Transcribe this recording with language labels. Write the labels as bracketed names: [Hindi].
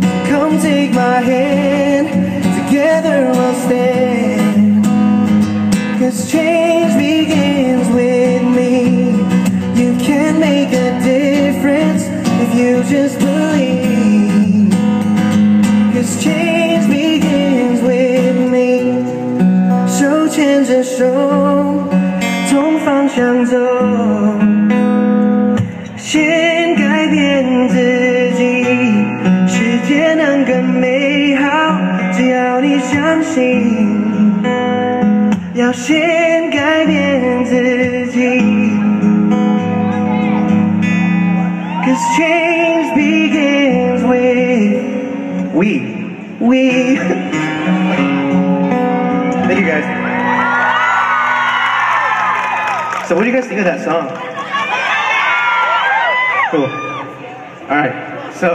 [English] Come take my hand, together we'll stand. 'Cause change begins with me. You can make a difference if you just believe. 'Cause change begins with me. [Chinese] 手牵着手, 从方向走, 先改变自己, 世界能更美好, 只要你相信, 要先改变自己. [English] 'Cause change begins with we. We. Thank you guys. So what do you guys think of that song? Cool. All right.